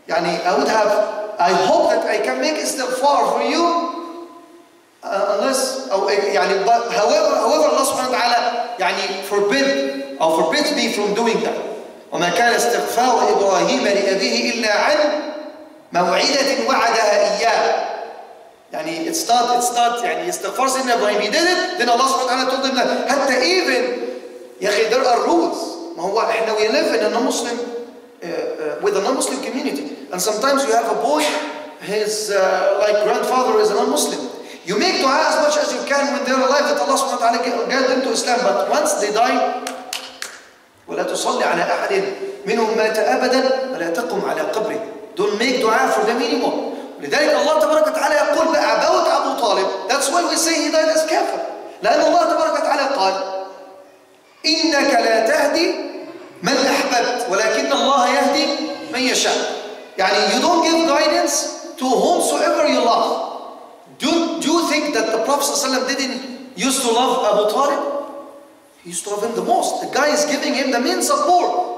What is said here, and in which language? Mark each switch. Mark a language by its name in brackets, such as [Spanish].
[English] I hope that I can make istighfar for you, however, Allah subhanahu wa ta'ala forbids me from doing that. [Arabic] وما كان استغفار إبراهيم لأبيه إلا عن موعدة وعدها إياه. [English] يعني it's not [Arabic] يعني استغفار سيدنا إبراهيم, [English] he did it, then Allah subhanahu wa ta'ala told him that. [Arabic] حتى [English] even [Arabic] يا أخي [English] there are rules. [Arabic] ما هو إحنا [English] we live in a non-Muslim with a non-Muslim community, and sometimes you have a boy, his like grandfather is a non-Muslim. You make dua as much as you can when they're alive that Allah subhanahu wa ta'ala get them to Islam, but once they die, [Arabic] ولا تصلي على أحد منهم مات أبدا ولا تقم على قبره. [English] Don't make dua for them anymore. [Arabic] لذلك الله تبارك وتعالى يقول [English] about Abu Talib. That's why we say he died as kafir. [Arabic] لأن الله تبارك وتعالى قال إنك لا تهدي من أحببت ولكن الله يهدي من يشاء. يعني [English] you don't give guidance to whomsoever you love. Do you think that the Prophet ﷺ didn't used to love Abu Talib? He used to love him the most. The guy is giving him the main support.